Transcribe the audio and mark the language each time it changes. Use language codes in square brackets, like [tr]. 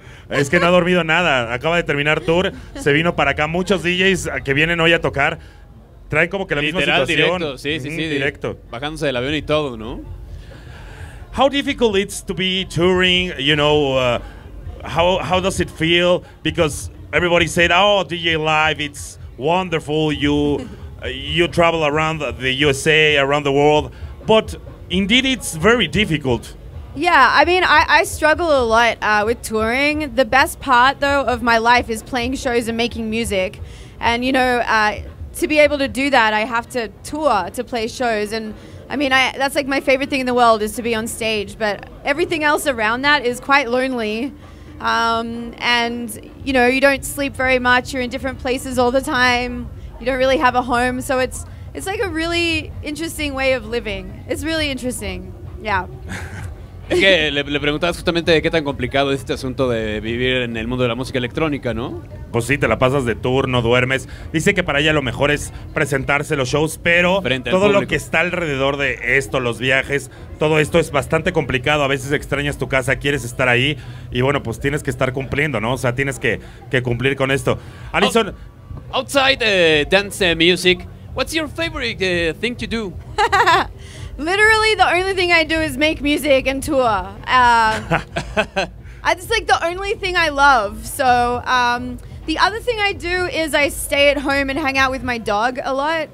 [es] Es que no ha dormido nada, acaba de terminar tour, se vino para acá. Muchos DJs que vienen hoy a tocar traen como que la literal, misma situación. Literal, directo, sí, directo. Bajándose del avión y todo, ¿no? [en] How difficult it's to be touring, you know, how does it feel? Because everybody said, oh, DJ Live, it's wonderful, you travel around the USA, around the world. But indeed, it's very difficult. Yeah, I mean, I struggle a lot with touring. The best part, though, of my life is playing shows and making music. And, you know, to be able to do that, I have to tour to play shows. And, I mean, that's like my favorite thing in the world is to be on stage. But everything else around that is quite lonely. And, you know, you don't sleep very much. You're in different places all the time. You don't really have a home. So it's like a really interesting way of living. It's really interesting. Yeah. [es] Es que le preguntabas justamente de qué tan complicado es este asunto de vivir en el mundo de la música electrónica, ¿no? Pues sí, te la pasas de tour, no duermes. Dice que para ella lo mejor es presentarse los shows, pero todo lo que está alrededor de esto, los viajes, todo esto es bastante complicado. A veces extrañas tu casa, quieres estar ahí y bueno, pues tienes que estar cumpliendo, ¿no? O sea, tienes que cumplir con esto. Alison, [en] outside dance music, what's your favorite thing to do? Literally, the only thing I do is make music and tour. it's like the only thing I love. So the other thing I do is I stay at home and hang out with my dog a lot.